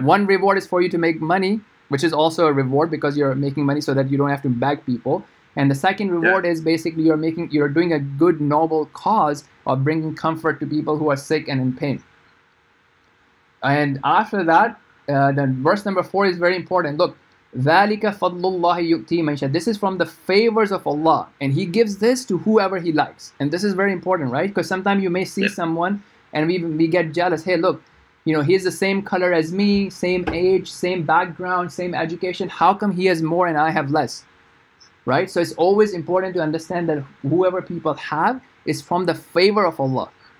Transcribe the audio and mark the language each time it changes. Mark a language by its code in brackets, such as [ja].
[en] One reward is for you to make money, which is also a reward because you're making money so that you don't have to beg people. And the second reward is basically you're doing a good, noble cause of bringing comfort to people who are sick and in pain. And after that, the verse number 4 is very important. Look, [ar] ذَلِكَ فَضْلُ اللَّهِ يُؤْتِي مَنْ شَاءَ. [en] This is from the favors of Allah. And He gives this to whoever He likes. And this is very important, right? Because sometimes you may see someone and we get jealous. Hey, look, you know, he's the same color as me, same age, same background, same education. How come he has more and I have less? Right? So it's always important to understand that whoever people have is from the favor of Allah.